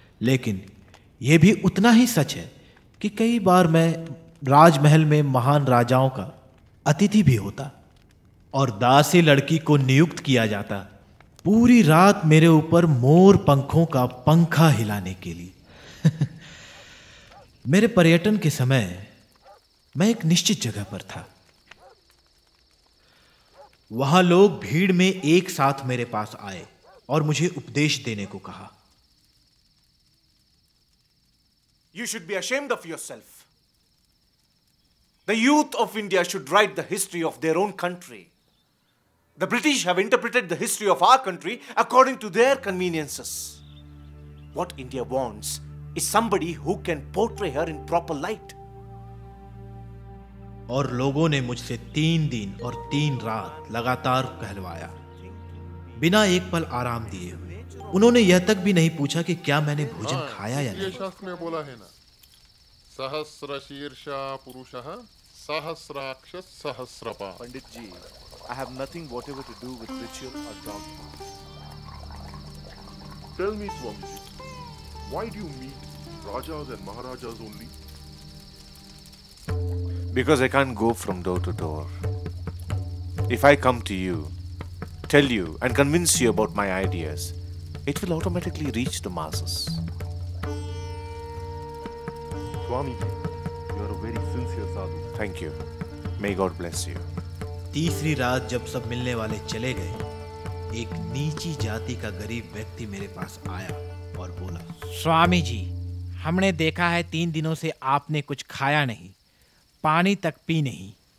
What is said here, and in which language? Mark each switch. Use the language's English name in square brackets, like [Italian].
[Hindi] लेकिन यह भी उतना ही सच है कि कई बार मैं राजमहल में महान राजाओं का अतिथि भी होता और दासी लड़की को नियुक्त किया जाता पूरी रात मेरे ऊपर मोर पंखों का पंखा हिलाने के लिए। मेरे पर्यटन के समय मैं एक निश्चित जगह पर था। वहां लोग भीड़ में एक साथ मेरे पास आए और मुझे उपदेश देने को कहा। [English] You should be ashamed of yourself. The youth of India should write the history of their own country. The British have interpreted the history of our country according to their conveniences. What India wants is somebody who can portray her in proper light. [Hindi] और लोगों ने मुझसे 3 दिन और 3 रात लगातार कहलवाया, बिना एक पल आराम दिए हुए। उन्होंने यह तक भी नहीं पूछा कि क्या मैंने भोजन खाया या नहीं। शास्त्र में बोला है ना, [Sanskrit] सहस्र शीर्षा पुरुषः सहस्राक्ष सहस्रपा। [English] Pandit ji, I have nothing whatever to do with ritual or dogma. Tell me Swamiji, why do you meet Rajas and Maharajas only? Because I can't go from door to door. If I come to you, tell you and convince you about my ideas, it will automatically reach the masses. Swami, you are a very sincere sadhu. Thank you. May God bless you. [Hindi] तीसरी रात जब सब मिलने वाले चले गए, एक नीची जाति का गरीब व्यक्ति मेरे पास आया और बोला, स्वामी जी, हमने देखा है 3 दिनों से आपने कुछ खाया नहीं, पानी तक पी नहीं।